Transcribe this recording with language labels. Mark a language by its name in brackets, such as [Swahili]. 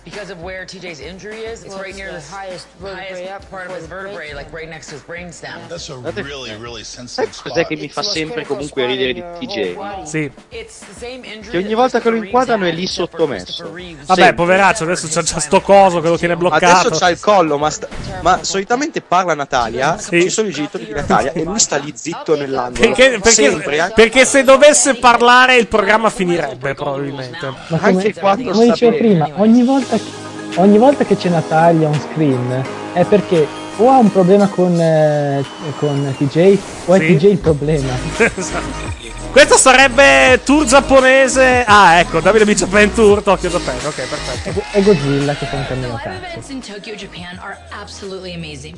[English] Because of where TJ's injury is, it's right near the highest part of his vertebrae, like right next to his brainstem. That's a really, really sensitive spot. [Italian] Cos'è che mi fa sempre comunque ridere di TJ? Sì. Che ogni volta che lo inquadrano è lì sottomesso. Vabbè, poveraccio, adesso c'ha già sto coso che lo tiene bloccato. Adesso c'ha il collo, ma solitamente parla Natalia, sì. Ci sono i genitori di Natalia, e lui sta lì zitto nell'angolo. Perché se dovesse parlare il programma finirebbe probabilmente. Ma come dicevo prima, ogni volta che c'è Natalia [English] on screen [Italian] è perché o ha un problema con TJ o è, sì, TJ il problema. Questo sarebbe tour giapponese. Ah, ecco, Davide Beach of Man Tour, Tokyo Japan. Ok, perfetto. E Godzilla che fa un cammino a cazzo. [English] The live events in Tokyo Japan are absolutely amazing.